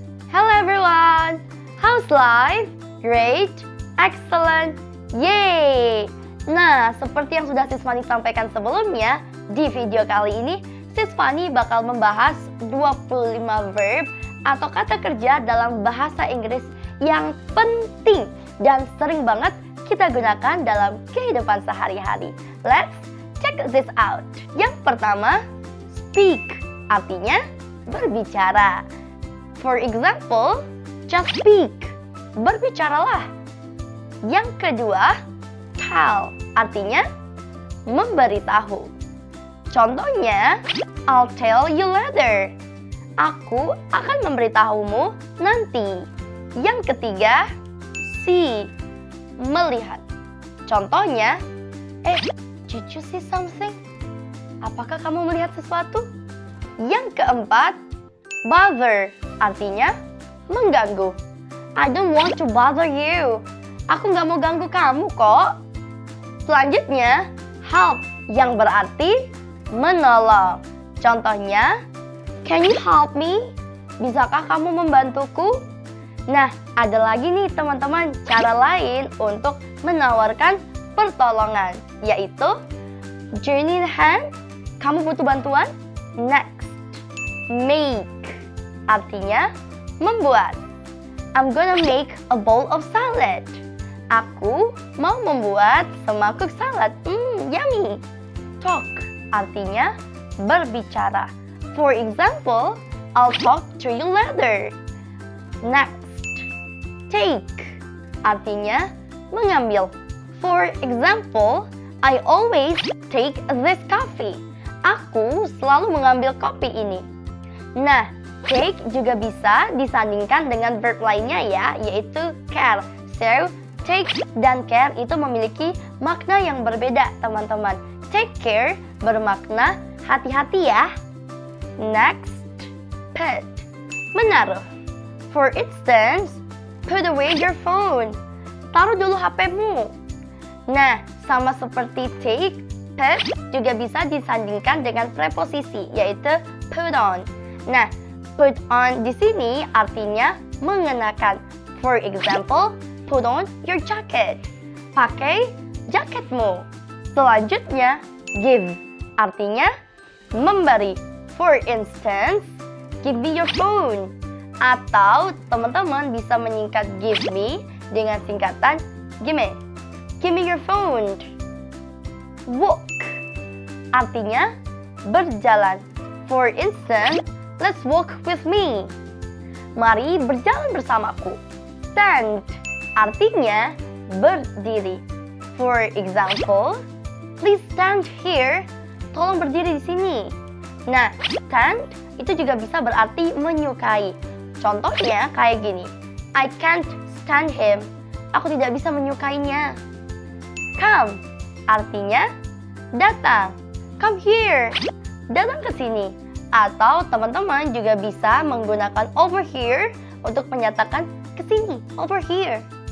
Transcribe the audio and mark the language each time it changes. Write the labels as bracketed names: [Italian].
[English] Hello everyone, how's life? Great, excellent, yay! [Indonesian] Nah, seperti yang sudah Sis Fanny sampaikan sebelumnya, di video kali ini, Sis Fanny bakal membahas 25 verb atau kata kerja dalam bahasa Inggris yang penting dan sering banget kita gunakan dalam kehidupan sehari-hari. [English] Let's check this out. [Indonesian] Yang pertama, speak, artinya berbicara. [English] For example, just speak, [Indonesian] berbicaralah. Yang kedua, tell, artinya memberitahu. [English] Contohnya, I'll tell you later. [Indonesian] Aku akan memberitahumu nanti. Yang ketiga, see, melihat. [English] Contohnya, did you see something? [Indonesian] Apakah kamu melihat sesuatu? Yang keempat, bother, artinya mengganggu. [English] I don't want to bother you. [Indonesian] Aku nggak mau ganggu kamu kok. Selanjutnya, help, yang berarti menolong. [English] Contohnya, can you help me? [Indonesian] Bisakah kamu membantuku? Nah, ada lagi nih teman-teman, cara lain untuk menawarkan pertolongan, yaitu, [English] do you need a hand? [Indonesian] Kamu butuh bantuan? Next, make, artinya membuat. [English] I'm gonna make a bowl of salad. [Indonesian] Aku mau membuat semangkuk salad. Yummy. Talk, artinya berbicara. [English] For example, I'll talk to you later. Next, take, [Indonesian] artinya mengambil. [English] For example, I always take this coffee. [Indonesian] Aku selalu mengambil kopi ini. Nah, take juga bisa disandingkan dengan verb lainnya ya, yaitu care. So, take dan care itu memiliki makna yang berbeda, teman-teman. Take care bermakna hati-hati ya. Next, put, menaruh. [English] For instance, put away your phone. [Indonesian] Taruh dulu HP-mu. Nah, sama seperti take, put juga bisa disandingkan dengan preposisi, yaitu put on. Nah, put on di sini artinya mengenakan. [English] For example, put on your jacket. [Indonesian] Pakai jaketmu. Selanjutnya, give, artinya memberi. [English] For instance, give me your phone. [Indonesian] Atau teman-teman bisa menyingkat give me dengan singkatan gimme. [English] Give me your phone. Walk, [Indonesian] artinya berjalan. [English] For instance, let's walk with me. [Indonesian] Mari berjalan bersamaku. Stand, artinya berdiri. [English] For example, please stand here. [Indonesian] Tolong berdiri di sini. Nah, stand itu juga bisa berarti menyukai. Contohnya kayak gini. [English] I can't stand him. [Indonesian] Aku tidak bisa menyukainya. Come, artinya datang. [English] Come here, [Indonesian] datang ke sini. Atau teman-teman juga bisa menggunakan over here untuk menyatakan ke sini, over here.